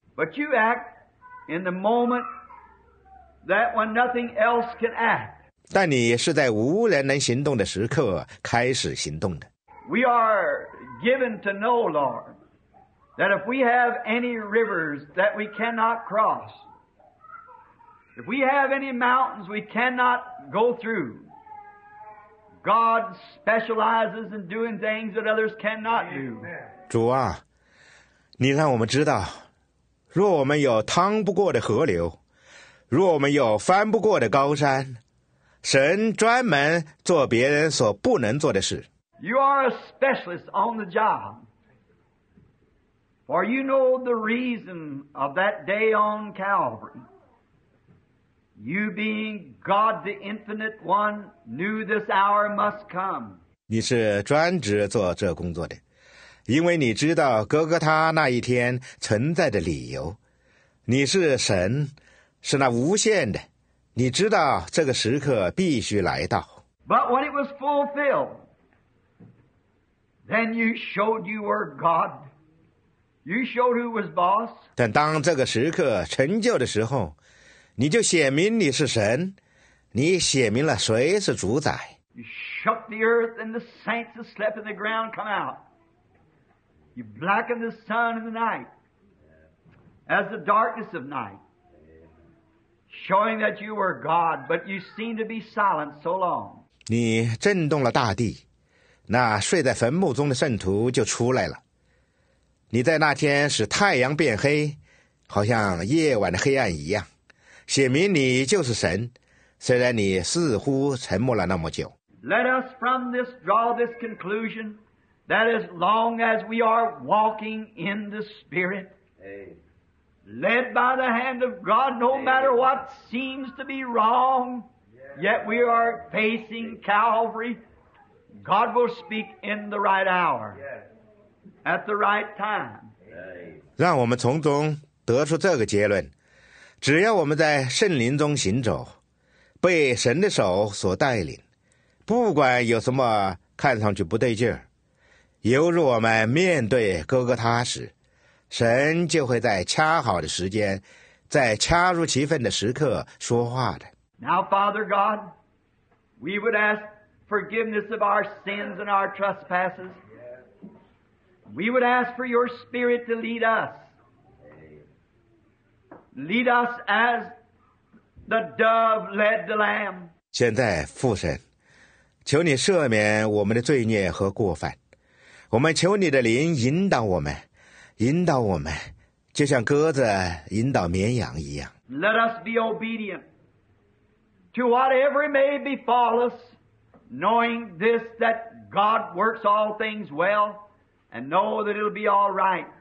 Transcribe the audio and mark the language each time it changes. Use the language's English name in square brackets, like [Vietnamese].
[English] But you act in the moment that when nothing else can act. [Chinese] 但你是在无人能行动的时刻开始行动的。 [English] We are given to know, Lord, that if we have any rivers that we cannot cross, if we have any mountains we cannot go through, God specializes in doing things that others cannot do. [Chinese] 主啊，你让我们知道，若我们有趟不过的河流，若我们有翻不过的高山，神专门做别人所不能做的事。 [English] You are a specialist on the job, for you know the reason of that day on Calvary. You being God, the infinite one, knew this hour must come. [Chinese] 你是专职做这工作的，因为你知道哥哥他那一天存在的理由。你是神，是那无限的，你知道这个时刻必须来到。 [English] But when it was fulfilled,Then you showed you were God. You showed who was boss. [Chinese] 但当这个时刻成就的时候，你就显明你是神，你显明了谁是主宰。 [English] You shook the earth and the saints that slept in the ground come out. You blackened the sun in the night as the darkness of night, showing that you were God, but you seemed to be silent so long. [Chinese] 你震动了大地，那睡在坟墓中的圣徒就出来了。你在那天使太阳变黑，好像夜晚的黑暗一样，显明你就是神，虽然你似乎沉默了那么久。 [English] Let us from this draw this conclusion that as long as we are walking in the Spirit, led by the hand of God, no matter what seems to be wrong, yet we are facing Calvary. God will speak in the right hour, at the right time. [Chinese] 让我们从中得出这个结论，只要我们在圣灵中行走，被神的手所带领，不管有什么看上去不对劲儿，犹如我们面对哥哥他时，神就会在恰好的时间，在恰如其分的时刻说话的。 [English] Now, Father God, we would askForgiveness of our sins and our trespasses. We would ask for your Spirit to lead us. Lead us as the dove led the lamb. [Chinese] 现在父神，求你赦免我们的罪孽和过犯。我们求你的灵引导我们，引导我们，就像鸽子引导绵羊一样。 [English] Let us be obedient to whatever may befall us, knowing this, that God works all things well, and know that it'll be all right.